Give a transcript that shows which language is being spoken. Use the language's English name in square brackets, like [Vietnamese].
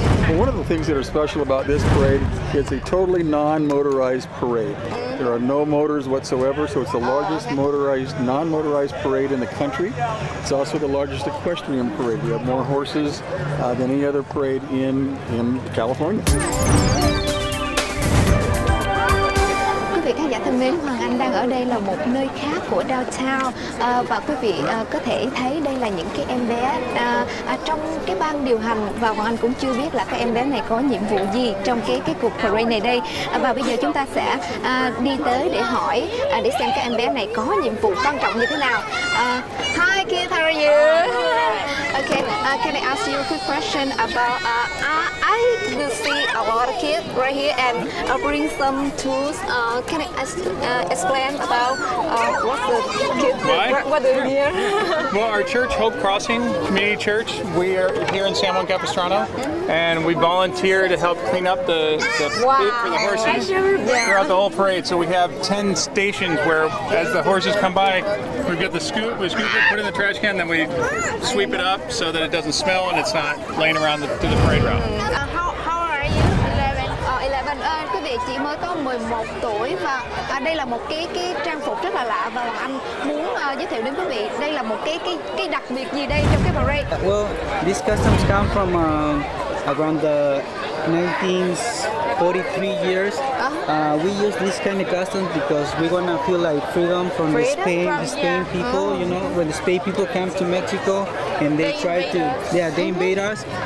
[English] Well, one of the things that are special about this parade, it's a totally non-motorized parade. There are no motors whatsoever, so it's the largest non-motorized parade in the country. It's also the largest equestrian parade. We have more horses than any other parade in California. [Vietnamese] Khán giả thân mến, Hoàng Anh đang ở đây là một nơi khác của downtown, và quý vị có thể thấy đây là những cái em bé trong cái ban điều hành, và Hoàng Anh cũng chưa biết là các em bé này có nhiệm vụ gì trong cái cuộc parade này đây. Và bây giờ chúng ta sẽ đi tới để hỏi để xem các em bé này có nhiệm vụ quan trọng như thế nào. [English] Hi kids, how are you? Okay, can I ask you a quick question about, I will see a lot of kids right here and I'll bring some tools. Can I explain about what's the kids, what they're here? Well, our church, Hope Crossing Community Church, we are here in San Juan Capistrano, and we volunteer to help clean up the food for the horses throughout the whole parade. So we have 10 stations where, as the horses come by, we get the scoop, we scoop it, put it in the trash can, then we sweep it up so that it doesn't smell and it's not laying around to the parade route. How are you? 11. [Vietnamese] Quý vị chỉ mới có 11 tuổi và đây là một cái trang phục rất là lạ và anh muốn giới thiệu đến quý vị đây là một cái đặc biệt gì đây trong cái parade. [English] Well, this customs come from around the 1943 years. We use this kind of customs because we want to feel like freedom from freedom the Spain, from, the Spain people, you know, when the Spain people came to Mexico and they tried to, they invade us.